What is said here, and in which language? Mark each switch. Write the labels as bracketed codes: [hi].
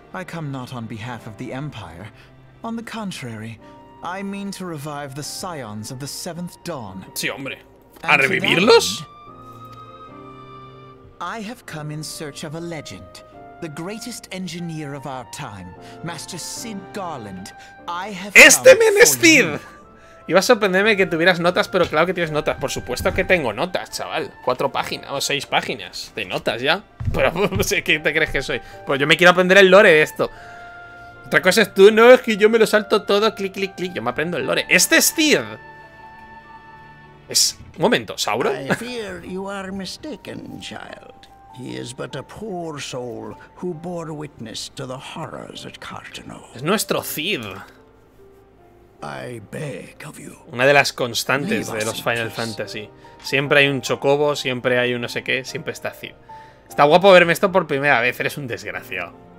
[en] I come not on behalf of the Empire. On the contrary, I mean to revive the Scions of the Seventh Dawn. [es] Sí, hombre. ¿A revivirlos? [en] I have come in search of a legend. The greatest engineer of our time, Master Cid Garland. I have [es] ¡Este menestir! Iba a sorprenderme que tuvieras notas, pero claro que tienes notas. Por supuesto que tengo notas, chaval. 4 páginas o 6 páginas de notas ya. Pero ¿qué te crees que soy? Pues yo me quiero aprender el lore de esto. Otra cosa es tú, no, es que yo me lo salto todo, clic, clic, clic. Yo me aprendo el lore. ¡Este es Cid! Es... un momento, ¿Sauron? [en] I fear you are mistaken, child. He is but a poor soul who bore witness to the horrors at Cartano. [es] Es nuestro Cid. [en] I beg of you. [es] Una de las constantes de los Final Fantasy. Siempre hay un chocobo, siempre hay un no sé qué, siempre está Cid. Está guapo verme esto por primera vez, eres un desgraciado.